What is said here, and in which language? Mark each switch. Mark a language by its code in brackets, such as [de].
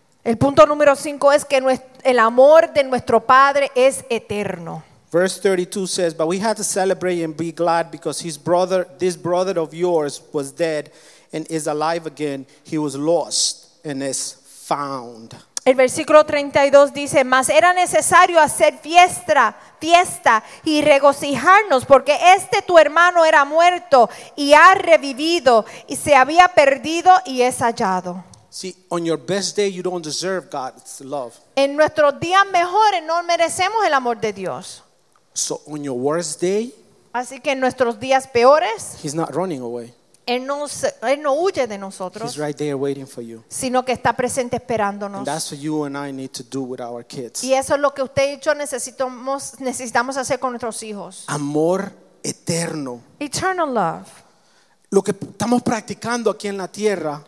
[es] El punto número cinco es que el amor de nuestro Padre es eterno. [en] Verse 32 says, but we have to celebrate and be glad because this brother of yours was dead and is alive again. He was lost and is found. [es] El versículo 32 dice, mas era necesario hacer fiesta y regocijarnos porque este tu hermano era muerto y ha revivido y se había perdido y es hallado. [en] See, on your best day you don't deserve God's love. [es] En nuestros días mejores no merecemos el amor de Dios. [en] So on your worst day, [es] así que en nuestros días peores, [en] he's not running away. [es] Él no huye de nosotros. [en] He's right there waiting for you. [es] Sino que está presente esperándonos. [en] And that's what you and I need to do with our kids. [es] Y eso es lo que usted y yo necesitamos hacer con nuestros hijos. Amor eterno. [en] Eternal love. [es] Lo que estamos practicando aquí en la tierra.